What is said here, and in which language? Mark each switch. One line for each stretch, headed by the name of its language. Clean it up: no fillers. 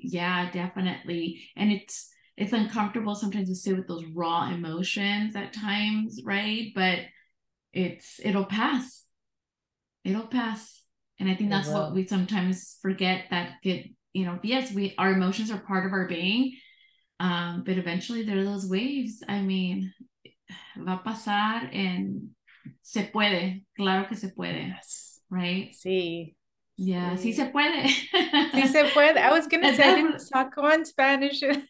English: Yeah, definitely. And it's uncomfortable sometimes to sit with those raw emotions at times, right? But it'll pass. And I think that's what we sometimes forget, that our emotions are part of our being, but eventually there are those waves. I mean,
Spanish: va a pasar
English: and
Spanish: se puede, claro que se puede,
English: right?
Spanish: Sí.
English: Yeah,
Spanish: sí, sí se puede. Sí se puede.
English: I was going to say, I didn't talk on Spanish.